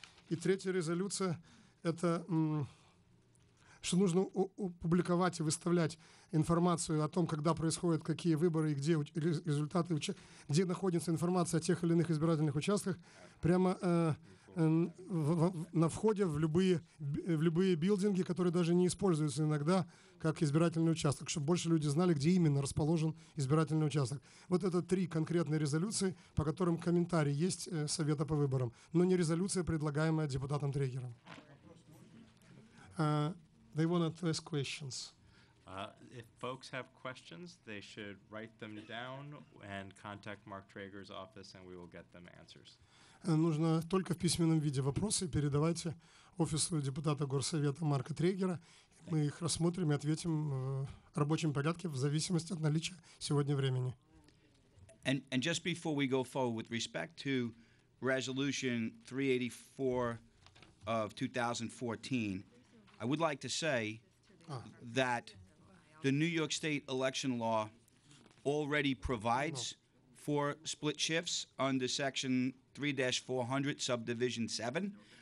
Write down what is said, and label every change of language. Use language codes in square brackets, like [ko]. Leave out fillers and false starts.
[ru] И третья резолюция — это что нужно опубликовать и выставлять информацию о том, когда происходят какие выборы и где результаты, где находится информация о тех или иных избирательных участках, прямо на входе в любые билдинги, которые даже не используются иногда как избирательный участок, чтобы больше люди знали, где именно расположен избирательный участок. Вот это три конкретные резолюции, по которым комментарии есть Совета по выборам, но не резолюция, предлагаемая депутатом Трегером. [en] They wanted to ask questions. If folks have questions, they should write them down and contact Mark Traeger's office, and we will get them answers. [ru] Нужно только в письменном виде вопросы передавайте офису депутата Горсовета Марка Трегера. Мы их рассмотрим и ответим в рабочем порядке в зависимости от наличия сегодня времени. [en] And just before we go forward, with respect to Resolution 384 of 2014, I would like to say that the New York State election law already provides for split shifts under Section 3-400, Subdivision 7.